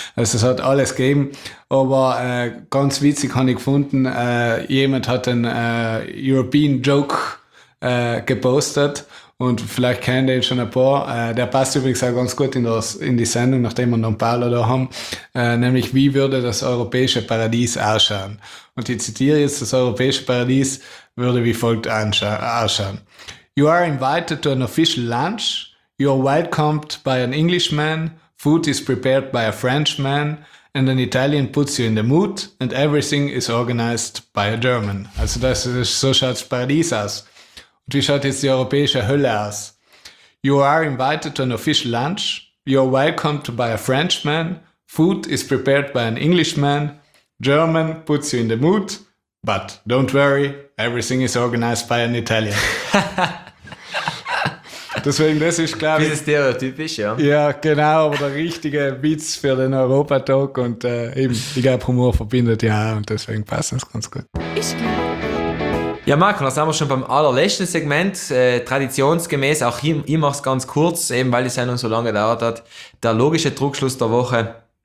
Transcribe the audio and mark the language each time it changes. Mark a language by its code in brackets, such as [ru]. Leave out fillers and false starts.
[de] Also es hat alles gegeben. Aber ganz witzig habe ich gefunden, jemand hat einen European Joke gepostet, und vielleicht kennt ihr ihn schon ein paar. Der passt übrigens auch ganz gut in die Sendung, nachdem wir noch ein paar da haben. Nämlich, wie würde das europäische Paradies ausschauen? Und ich zitiere jetzt, das europäische Paradies würde wie folgt ausschauen. [en] You are invited to an official lunch. You are welcomed by an Englishman. Food is prepared by a Frenchman. And an Italian puts you in the mood. And everything is organized by a German. [de] Also so schaut das Paradies aus. Und wie schaut jetzt die europäische Hölle aus? [en] You are invited to an official lunch. You are welcomed by a Frenchman. Food is prepared by an Englishman. German puts you in the mood. But don't worry, everything is organized by an Italian. [de] Deswegen, das ist, glaube ich... Das ist stereotypisch, ja. Ja, genau, aber der richtige Witz für den Europa-Talk. Und eben, ich glaube, Humor verbindet ja, und deswegen passt es ganz gut. Ja, Marco, dann sind wir schon beim allerletzten Segment. Traditionsgemäß, auch ich mache es ganz kurz, eben weil die Sendung so lange gedauert hat, der logische Druckschluss der Woche.